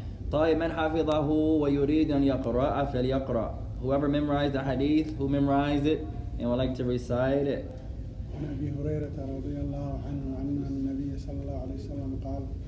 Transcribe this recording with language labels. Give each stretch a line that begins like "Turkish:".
Arabic: طيب من حفظه ويريد أن يقرأ فليقرأ.
English: Whoever memorized the hadith, who memorized it and would like to recite it.
Arabic: أبي هريرة رضي الله عنه أن النبي صلى الله عليه وسلم قال.